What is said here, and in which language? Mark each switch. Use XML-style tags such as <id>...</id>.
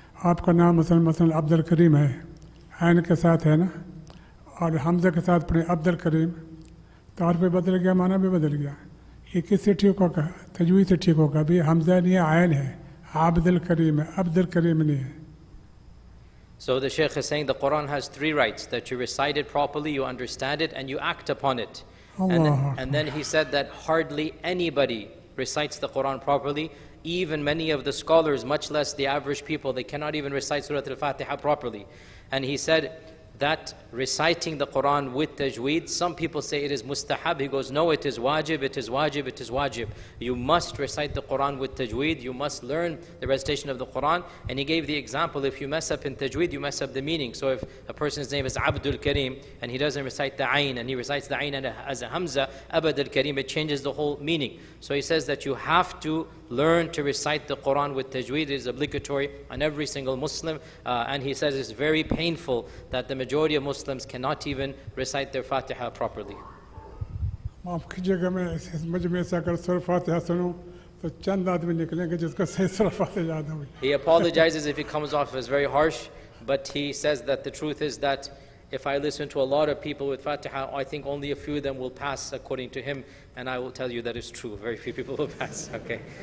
<ur>آپ کا نام مثلاً عبد الکریم ہے عین کے ساتھ ہے نا اور حمزہ کے ساتھ پڑھے عبد الکریم طور پہ بدل گیا معنی بھی بدل گیا یہ کس سے ٹھیک ہوگا تجوید سے ٹھیک ہوگا ابھی حمزہ نہیں ہے عین ہے عبد الکریم ہے عبد الکریم نہیں ہے</ur> <en>So the Sheikh is saying the Quran has three rights, that you recite it properly, you understand it, and you act upon it. And then he said that hardly anybody recites the Quran properly, even many of the scholars, much less the average people, they cannot even recite Surah Al-Fatiha properly. And he said that reciting the Quran with tajweed, some people say it is mustahab. He goes, no, it is wajib, it is wajib, it is wajib. You must recite the Quran with tajweed. You must learn the recitation of the Quran. And he gave the example, if you mess up in tajweed, you mess up the meaning. So if a person's name is Abdul Karim, and he doesn't recite the Ayn, and he recites the Ayn as a Hamza, Abad al-Karim, it changes the whole meaning. So he says that you have to learn to recite the Quran with tajweed. It is obligatory on every single Muslim. And he says it's very painful that the majority of Muslims cannot even recite their Fatiha properly.</en> <ur>معاف کیجئے گا میں اس مجھ میں سے اگر سورہ فاتحہ سنوں تو چند آدمی نکلیں گے جس کو صحیح سورہ فاتحہ یاد ہوئی</ur> <en>He apologizes if he comes off as very harsh, but he says that the truth is that if I listen to a lot of people with Fatiha, I think only a few of them will pass according to him, and I will tell you that is true. Very few people will pass, okay?</en>